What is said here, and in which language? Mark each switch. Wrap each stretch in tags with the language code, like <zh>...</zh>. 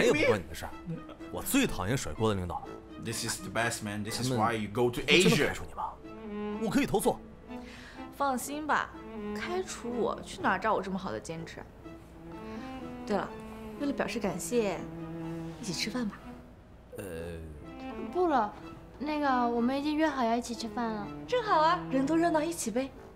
<zh>还有不关你的事，我最讨厌甩锅的领导。</zh> <en>This is the best man, this is why you go to Asia.</en> <zh>真的开除你吗？我可以投诉。放心吧，开除我，去哪找我这么好的兼职？对了，为了表示感谢，一起吃饭吧。不了，那个我们已经约好要一起吃饭了。正好啊，人都热闹，一起呗。</zh>